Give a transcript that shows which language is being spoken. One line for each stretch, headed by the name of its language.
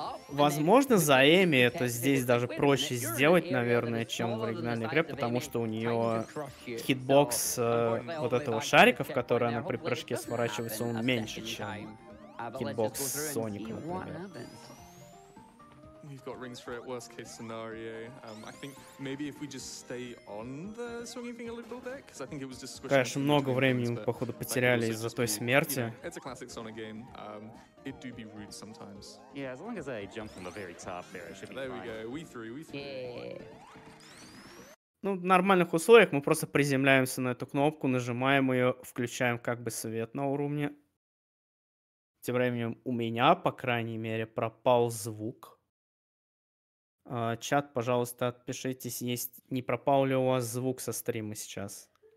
Russian: Возможно, за Эми это здесь даже проще сделать, наверное, чем в оригинальной игре, потому что у нее хитбокс вот этого шарика, в который она при прыжке сворачивается, он меньше, чем хитбокс Соник, например.
English: You've got rings for it, worst case scenario. I think maybe if we just stay on the swinging thing a little bit, because I think it was just squishing.
Russian: Конечно, много времени мы, походу, потеряли из-за той смерти.
English: It's a classic Sonic game. It do be rude sometimes. Yeah, as long as I jump from the very top there, I should be there fine. There we go, we three.
Russian: Ну, в нормальных условиях мы просто приземляемся на эту кнопку, нажимаем ее, включаем как бы свет на уровне. Тем временем у меня, по крайней мере, пропал звук. Чат, пожалуйста, отпишитесь, есть не пропал ли у вас звук со стрима сейчас.